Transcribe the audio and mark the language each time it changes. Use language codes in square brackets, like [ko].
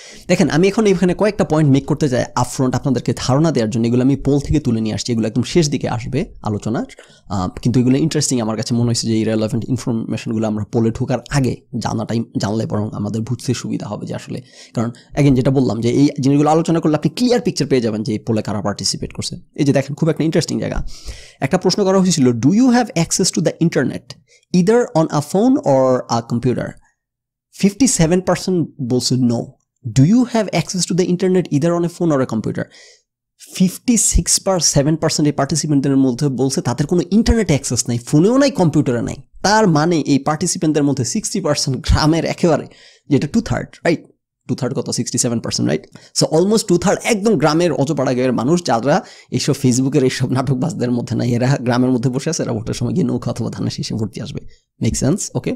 [bn] দেখেন আমি এখন এখানে কয়েকটা পয়েন্ট মেক করতে চাই আপফ্রন্ট আপনাদেরকে ধারণা দেওয়ার জন্য, এগুলো আমি পোল থেকে তুলে নিয়ে আসছি, এগুলো একদম শেষ দিকে আসবে আলোচনার, কিন্তু এগুলো ইন্টারেস্টিং আমার কাছে মনে হয়েছে যে এই রেলেভেন্ট ইনফরমেশনগুলো আমরা পোলে ঢোকার আগে জানাটাই জানলে বরং আমাদের বুঝতে সুবিধা হবে যে আসলে, কারণ এগেন যেটা বললাম যে এই জিনিসগুলো আলোচনা করলে আপনি ক্লিয়ার পিকচার পেয়ে যাবেন যে এই পোলে কারা পার্টিসিপেট করছে। এই যে দেখেন খুব একটা ইন্টারেস্টিং জায়গা, একটা প্রশ্ন করা হয়েছিল, [en] Do you have access to the internet either on a phone or a computer? [bn] 57% বলছে no. [en] Do you have access to the internet either on a phone or a computer? [bn] 56.7% এই পার্টিসিপেন্টদের মধ্যে বলছে তাদের কোনো ইন্টারনেট অ্যাক্সেস নাই, ফোনেও নাই, কম্পিউটারে নাই। তার মানে এই পার্টিসিপেন্টদের মধ্যে 60% গ্রামের একেবারে, যেটা 2/3, রাইট? 2/3 কত? 67%, রাইট? সো অলমোস্ট 2/3 একদম গ্রামের অজপাড়া গ্রামের মানুষ যারা এইসব ফেসবুকের এইসব নাটকবাজদের মধ্যে নাই, এরা গ্রামের মধ্যে বসে আছে, এরা ভোটের সময় গিয়ে নৌকা অথবা ধানের শীষে ভোট দিয়ে আসবে, মেক সেন্স, ওকে?